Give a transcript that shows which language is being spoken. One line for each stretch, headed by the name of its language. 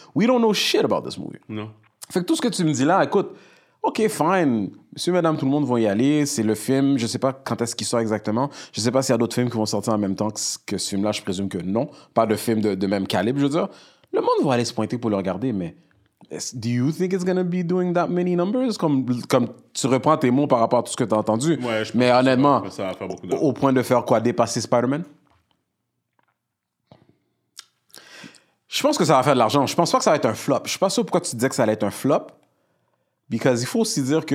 English: We don't know shit about this movie.
French: Non. Fait que tout ce que tu me dis là, écoute, OK, fine. Monsieur, madame, tout le monde va y aller. C'est le film. Je sais pas quand est-ce qu'il sort exactement. Je sais pas s'il y a d'autres films qui vont sortir en même temps que ce film-là. Je présume que non. Pas de film de même calibre, je veux dire. Le monde va aller se pointer pour le regarder, mais
English: Do you think it's going to be doing that many numbers?
French: Comme tu reprends tes mots par rapport à tout ce que tu as entendu. Ouais, je mais honnêtement, ça va faire beaucoup d'argent. Au point de faire quoi? Dépasser Spider-Man? Je pense que ça va faire de l'argent. Je pense pas que ça va être un flop. Je suis pas sûr pourquoi tu disais que ça allait être un flop. Because il faut aussi dire que...